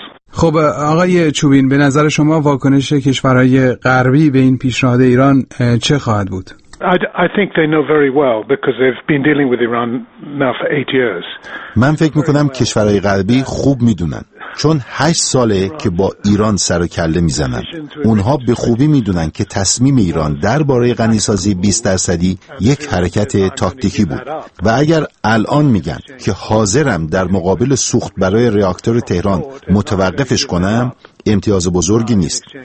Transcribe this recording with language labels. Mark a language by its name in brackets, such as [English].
[Persian] خب آقای چوبین، به نظر شما واکنش کشورهای غربی به این پیشنهاد ایران چه خواهد بود؟ [English] I think they know very well because they've been dealing with Iran now for 8 years. [Persian] من فکر میکنم کشورهای غربی خوب میدونن، چون 8 ساله که با ایران سر و کله میزنن. اونها به خوبی میدونن که تصمیم ایران درباره غنی‌سازی 20% یک حرکت تاکتیکی بود و اگر الان میگن که حاضرم در مقابل سوخت برای ریاکتور تهران متوقفش کنم، امتیاز بزرگی نیست.